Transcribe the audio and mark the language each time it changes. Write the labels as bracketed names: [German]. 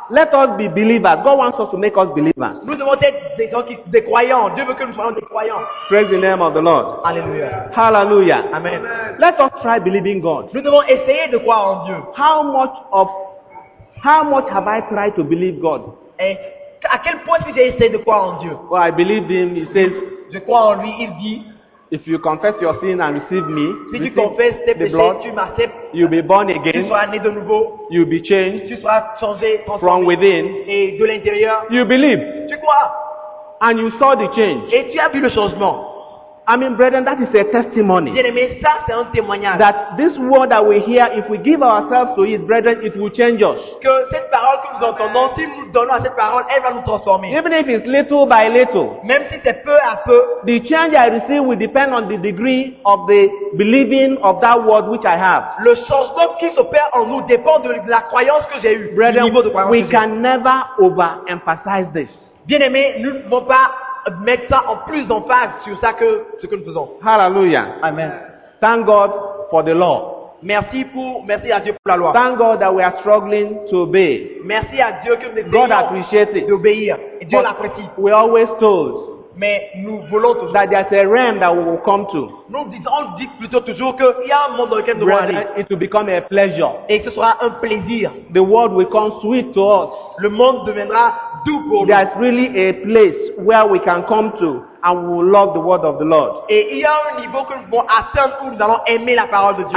[English] Let us be believers. God wants us to make us believers. [French] Nous devons être des croyants. Dieu veut que nous soyons des croyants. [English] Praise the name of the Lord. Hallelujah. Hallelujah. Amen. Let us try believing God. [French] Nous devons essayer de croire en Dieu. [English] How much have I tried to believe God? [French] Et à quel point j'ai essayé de croire en Dieu? [English] Well, I believe Him. He says. [French] Je crois en lui. Il dit. [English] If you confess your sin and receive me, [French] si tu confesses tes péchés, [English] blood, [French] tu m'acceptes, [English] you'll be born again, [French] tu seras né de nouveau, [English] you'll be changed, [French] tu seras changé, transformé, [English] from within, [French] et de l'intérieur, [English] you believe, [French] tu crois, [English] and you saw the change, [French] et tu as vu le changement. [English] I mean, brethren, that is a testimony. [French] Mais ça, c'est un témoignage. [English] That this word that we hear, if we give ourselves to it, brethren, it will change us. [French] Que cette parole que nous entendons, si nous donnons à cette parole, elle va nous transformer. [English] Even if it's little by little. [French] Même si c'est peu à peu. [English] The change I receive will depend on the degree of the believing of that word which I have. [French] Le changement qui s'opère en nous dépend de la croyance que j'ai eue. [English] Brethren, [French] niveau de croyance [English] we can never overemphasize this. [French] Bien aimé, nous ne pouvons pas mettre ça en plus d'emphase sur ça que ce que nous faisons. [English] Hallelujah. Amen. Thank God for the law. [French] Merci à Dieu pour la loi. [English] Thank God that we are struggling to obey. [French] Merci à Dieu que nous essayons d'obéir. Et Dieu l'apprécie. [English] We always told. [French] Mais nous voulons toujours. [English] That there's a realm that we will come to. [French] Nous on dit plutôt toujours que il y a un monde dans lequel nous allons. [English] It will become a pleasure. [French] Et ce sera un plaisir. [English] The world will come sweet to us. [French] Le monde deviendra doux pour nous. [English] There's really a place where we can come to and we will love the word of the Lord. [French] Et il y a un niveau que nous pouvons atteindre où nous allons aimer la parole de Dieu.